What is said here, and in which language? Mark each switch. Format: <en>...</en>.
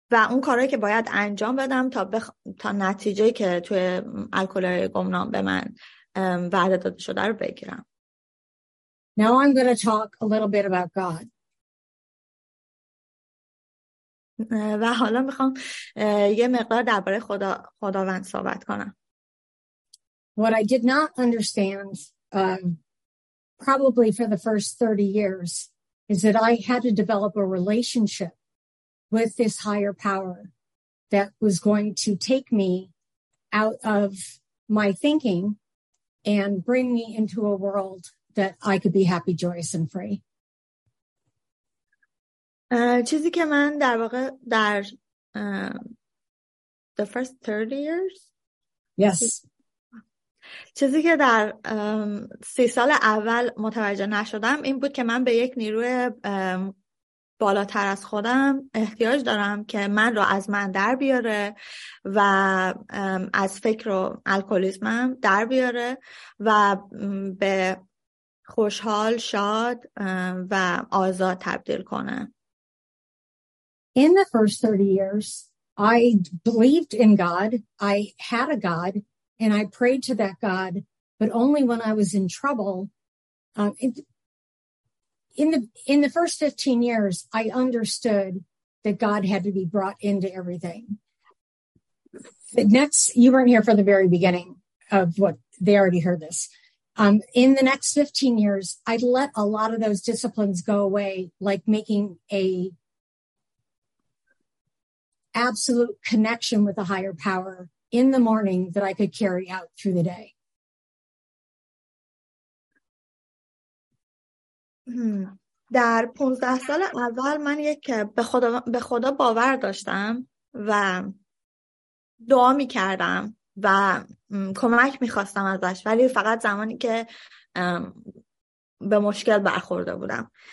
<fa>اون کارهایی که باید انجام بدم تا نتیجه که توی الکلی گمنام به من وعده داده شده رو بگیرم.</fa> <en>Now I'm going to talk a little bit about God.</en> <fa>و حالا میخوام یه مقدار درباره خداوند صحبت کنم.</fa> <en>What I did not understand probably for the first 30 years is that I had to develop a relationship with this higher power that was going to take me out of my thinking and bring me into a world that I could be happy, joyous, and free.</en> <fa>چیزی که من در واقع در</fa> <en>the first 30 years? Yes.</en> <fa>چیزی که در 30 سال اول متوجه نشدم این بود که من به یک نیروی بالاتر از خودم احتیاج دارم که من رو از من در بیاره و از فکر و الکولیزمم در بیاره و به خوشحال، شاد و آزاد تبدیل کنه.</fa> <en>In the first 30 years, I believed in God. I had a God, and I prayed to that God, but only when I was in trouble. In the first 15 years, I understood that God had to be brought into everything. You weren't here for the very beginning of what they already heard this. In the next 15 years, I'd let a lot of those disciplines go away, like making a absolute connection with a higher power in the morning that I could carry out through the day.</en> <fa>در 15 سال اول من یک به خدا باور داشتم و دعا می کردم و کمک می خواستم ازش، ولی فقط زمانی که به مشکل برخورده بودم.</fa>